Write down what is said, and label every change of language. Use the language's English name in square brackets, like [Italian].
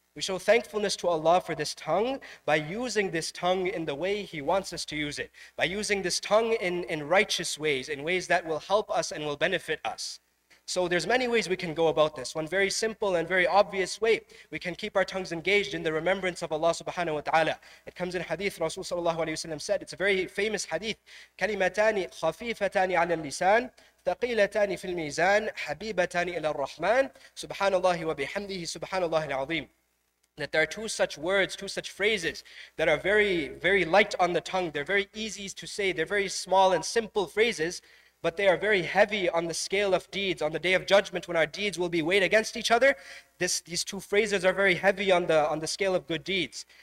[English] We show thankfulness to Allah for this tongue by using this tongue in the way He wants us to use it, by using this tongue in righteous ways, in ways that will help us and will benefit us. So there's many ways we can go about this. One very simple and very obvious way, we can keep our tongues engaged in the remembrance of Allah subhanahu wa ta'ala. It comes in hadith, Rasul sallallahu alayhi wa sallam said, it's a very famous hadith, [Arabic] كَلِمَتَانِ خَفِيفَتَانِ عَلَى اللِّسَانِ ثَقِيلَتَانِ فِي الْمِيزَانِ حَبِيبَتَانِ إِلَى الرَّحْمَنِ سُبْحَانَ اللَّهِ وَبِحَمْدِهِ سُبْحَانَ اللَّهِ الْعَظِيمِ. [English] That there are two such words, two such phrases that are very, very light on the tongue. They're very easy to say. They're very small and simple phrases, but they are very heavy on the scale of deeds. On the day of judgment, when our deeds will be weighed against each other, these two phrases are very heavy on the scale of good deeds.